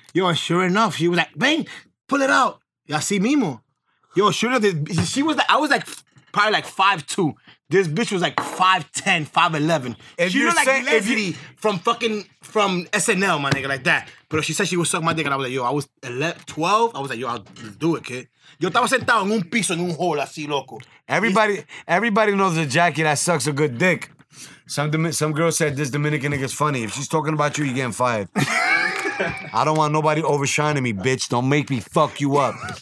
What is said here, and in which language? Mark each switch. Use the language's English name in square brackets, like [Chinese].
[English] Yo, and sure enough, she was like, bang, pull it out. Y'all see Mimo? Yo, sure enough, she was like, I was like... probably like 5'2". This bitch was like 5'10", 5'11". She was like Leslie from SNL, my nigga, like that. But she said she would suck my dick, and I was like, yo, I was 12. I was like, yo, I'll do it, kid. [Spanish] Yo estaba sentado en un piso, en un hole, así, loco. [English] Everybody knows a Jackie that sucks a good dick. Some girl said, this Dominican nigga's funny. If she's talking about you, you're getting fired. I don't want nobody overshining me, bitch. Don't make me fuck you up.